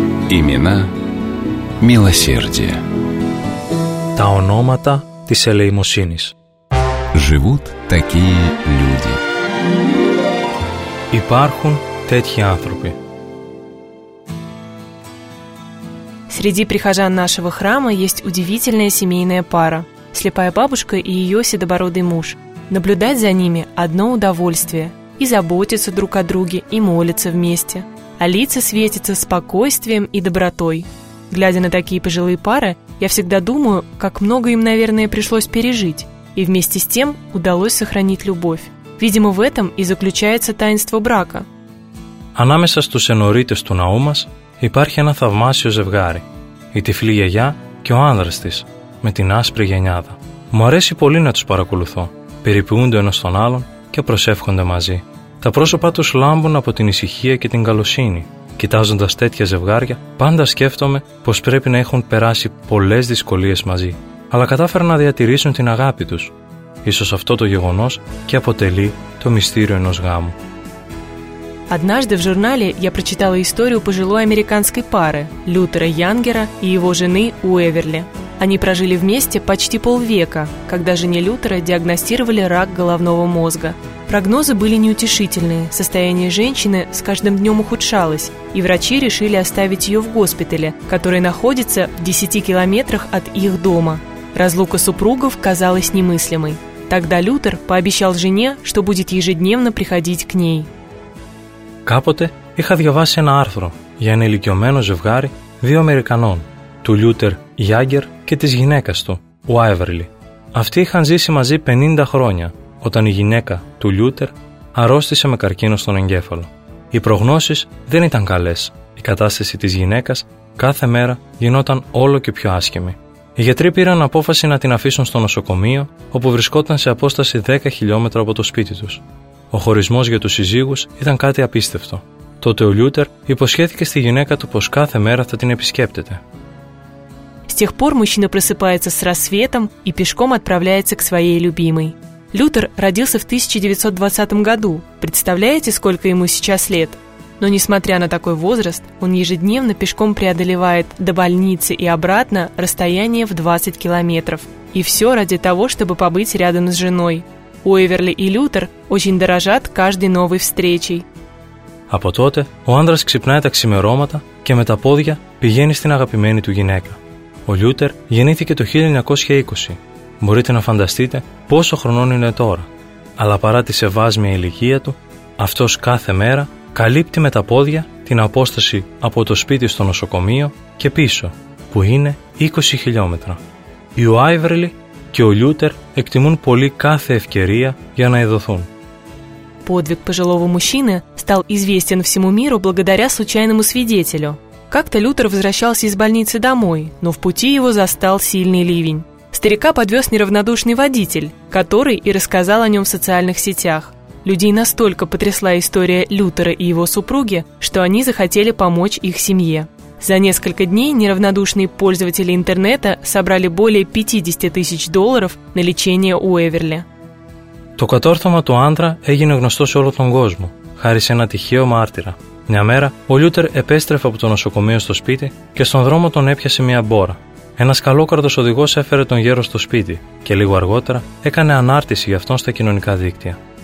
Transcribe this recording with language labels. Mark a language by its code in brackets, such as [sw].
[ru] Имена милосердия. [el] Та ономата της ελεημοσύνης. [ru] Живут такие люди. [el] Υπάρχουν τέτοιοι άνθρωποι. [ru] Среди прихожан нашего храма есть удивительная семейная пара – слепая бабушка и ее седобородый муж. Наблюдать за ними – одно удовольствие. И заботиться друг о друге, и молиться вместе. А лица светятся спокойствием и добротой. Глядя на такие пожилые пары, я всегда думаю, как много им, наверное, пришлось пережить. И вместе с тем удалось сохранить любовь. Видимо, в этом и заключается таинство брака. [el] Ανάμεσα στους ενωρίτες του ναού μας υπάρχει ένα θαυμάσιο ζευγάρι. Η τυφλή γιαγιά και ο άνδρας της, με την άσπρη γενιάδα. Μου αρέσει πολύ να τους παρακολουθώ. Περιποιούνται ο ένας τον άλλον και προσεύχονται μαζί. Τα πρόσωπά τους λάμπουν από την ησυχία και την καλοσύνη. Κοιτάζοντας τέτοια ζευγάρια, πάντα σκέφτομαι πως πρέπει να έχουν περάσει πολλές δυσκολίες μαζί. Αλλά κατάφεραν να διατηρήσουν την αγάπη τους. Ίσως αυτό το γεγονός και αποτελεί το μυστήριο ενός γάμου. [ru] Однажды в журнале я прочитала историю пожилой американской пары Лютера Янгера и его жены Уэверли. Они прожили вместе почти полвека, когда жене Лютера диагностировали рак головного мозга. Прогнозы были неутешительные, состояние женщины с каждым днем ухудшалось, и врачи решили оставить ее в госпитале, который находится в 10 километрах от их дома. Разлука супругов казалась немыслимой. Тогда Лютер пообещал жене, что будет ежедневно приходить к ней. [el] Κάποτε είχα διαβάσει ένα άρθρο για ένα ηλικιωμένο ζευγάρι δύο Αμερικανών, του Λιούτερ Γιάγκερ και της γυναίκας του, Ουάιβερλι. Αυτοί είχαν ζήσει μαζί 50 χρόνια, όταν η γυναίκα του Λιούτερ αρρώστησε με καρκίνο στον εγκέφαλο. Οι προγνώσεις δεν ήταν καλές. Η κατάσταση της γυναίκας κάθε μέρα γινόταν όλο και πιο άσχημη. Οι γιατροί πήραν απόφαση να την αφήσουν στο νοσοκομείο, όπου βρισκόταν σε απόσταση 10 χιλιόμετρα από το σπίτι τους. Ο χωρισμός για τους συζύγους ήταν κάτι απίστευτο. Τότε ο Λιούτερ υποσχέθηκε στη γυναίκα του πως κάθε μέρα θα την επισκέπτεται. [ru] С тех пор мужчина просыпается с рассветом и пешком отправляется к своей любимой. Лютер родился в 1920 году. Представляете, сколько ему сейчас лет? Но несмотря на такой возраст, он ежедневно пешком преодолевает до больницы и обратно расстояние в 20 километров. И все ради того, чтобы побыть рядом с женой. Уэверли и Лютер очень дорожат каждой новой встречей. [el] Από τότε, ο άντρας ξυπνάει τα ξημερώματα και με τα πόδια πηγαίνει στην αγαπημένη του γυναίκα. Ο Λιούτερ γεννήθηκε το 1920. Μπορείτε να φανταστείτε πόσο χρονών είναι τώρα. Αλλά παρά τη σεβάσμια ηλικία του, αυτός κάθε μέρα καλύπτει με τα πόδια την απόσταση από το σπίτι στο νοσοκομείο και πίσω, που είναι 20 χιλιόμετρα. Η Ουάιβερλι και ο Λιούτερ εκτιμούν πολύ κάθε ευκαιρία για να ειδωθούν. [ru] Подвиг пожилого мужчины стал известен всему миру благодаря случайному свидетелю. Как-то Лютер возвращался из больницы домой, но в пути его застал сильный ливень. Старика подвез неравнодушный водитель, который и рассказал о нем в социальных сетях. Людей настолько потрясла история Лютера и его супруги, что они захотели помочь их семье. За несколько дней неравнодушные пользователи интернета собрали более 50 тысяч долларов на лечение у Эверли. [el] Το κατόρθωμα του άντρα έγινε γνωστό σε όλο τον κόσμο, χάρη σε ένα τυχαίο μάρτυρα. Μια μέρα, ο Λιούτερ επέστρεφε από το νοσοκομείο στο σπίτι και στον δρόμο τον έπιασε μια μπόρα. Ένας καλόκαρδος οδηγός έφερε τον γέρο στο σπίτι και λίγο αργότερα έκανε ανάρτηση για αυτόν στα κοινωνικά δίκτυα.